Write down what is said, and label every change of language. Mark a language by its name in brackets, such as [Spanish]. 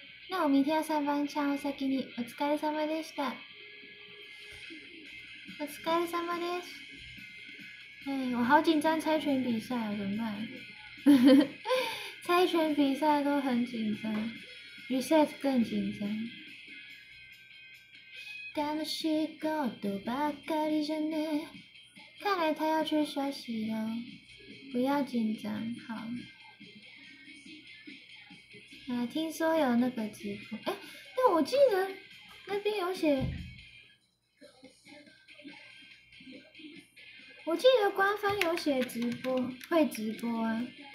[Chinese] 那我明天要上班， [Japanese] ちゃんお先に。お疲れ様でした。お疲れ様です。 [Chinese] 哎，我好紧张猜拳比赛，怎么办？猜拳比赛都很紧张 ，reset 更紧张。 [Japanese] 楽しいことばかりじゃね。 [Chinese] 看来他要去休息了，不要紧张，好。啊，听说有那个直播，哎，但我记得那边有写，我记得官方有写直播，会直播啊。